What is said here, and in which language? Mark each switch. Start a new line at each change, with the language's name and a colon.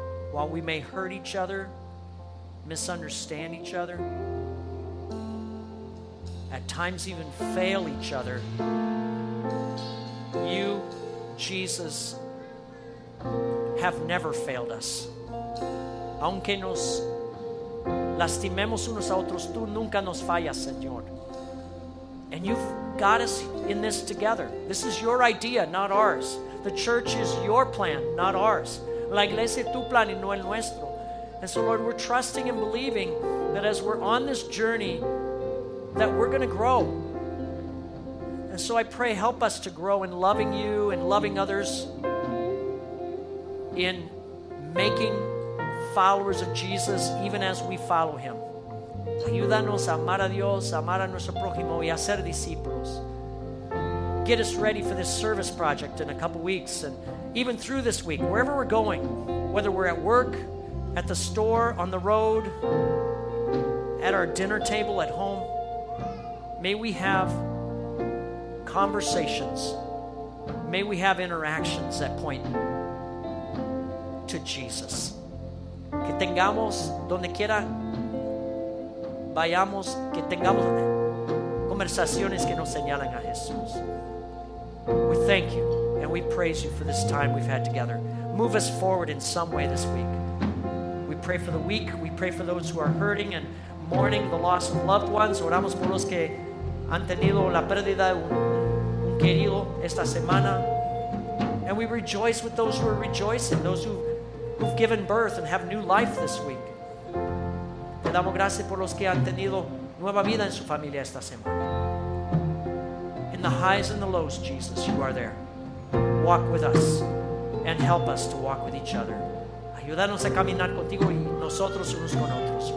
English: while we may hurt each other, misunderstand each other, at times even fail each other, you, Jesus, have never failed us.
Spanish: Aunque nos lastimemos unos a otros, tú nunca nos fallas, Señor.
English: And you've got us in this together. This is your idea, not ours. The church is your plan, not ours.
Spanish: La iglesia es tu plan y no el nuestro.
English: And so, Lord, we're trusting and believing that as we're on this journey, that we're going to grow. And so I pray, help us to grow in loving you and loving others, in making followers of Jesus even as we follow him.
Spanish: Ayúdanos a amar a Dios, amar a nuestro prójimo y a ser discípulos.
English: Get us ready for this service project in a couple weeks, and even through this week, wherever we're going, whether we're at work, at the store, on the road, at our dinner table, at home, may we have conversations, may we have interactions that point to Jesus.
Spanish: Que tengamos donde quiera vayamos, que tengamos conversaciones que nos señalan a Jesús.
English: We thank you and we praise you for this time we've had together. Move us forward in some way this week. We pray for the weak. We pray for those who are hurting and mourning the loss of loved ones.
Spanish: Oramos por los que han tenido la pérdida de un querido esta semana.
English: And we rejoice with those who are rejoicing, those who've given birth and have new life this week.
Spanish: Te damos gracias por los que han tenido nueva vida en su familia esta semana.
English: In the highs and the lows, Jesus, you are there. Walk with us and help us to walk with each other.
Spanish: Ayúdanos a caminar contigo y nosotros unos con otros.